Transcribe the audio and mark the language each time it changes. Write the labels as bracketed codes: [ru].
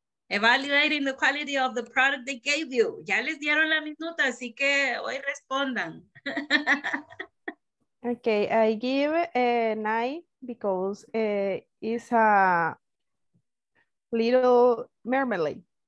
[en] Evaluating the quality of the product they gave you. [es] Ya les dieron la minuta, así que hoy respondan. [en] Okay, I give a 9 because it's a little marmalade.